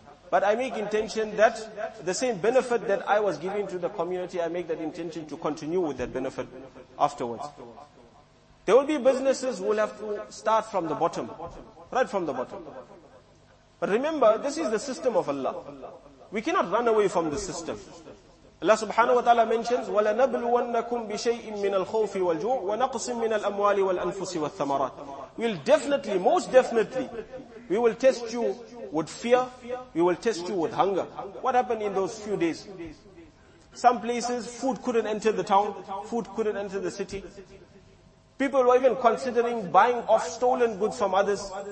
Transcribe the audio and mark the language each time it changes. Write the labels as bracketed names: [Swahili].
[English] But I make intention that the same benefit that I was giving to the community, I make that intention to continue with that benefit afterwards. There will be businesses who will have to start from the bottom, right from the bottom. But remember, this is the system of Allah. We cannot run away from the system. Allah subhanahu wa ta'ala mentions, [Arabic] وَلَنَبْلُوَنَّكُمْ بِشَيْءٍ مِّنَ الْخَوْفِ وَالْجُوعِ وَنَقْصٍ مِّنَ الْأَمْوَالِ وَالْأَنفُسِ وَالثَّمَرَاتِ. [English] We'll definitely, most definitely, we will test you with fear, we will test you with hunger. What happened in those few days? Some places, food couldn't enter the town, food couldn't enter the city. People were even considering buying off stolen goods from others.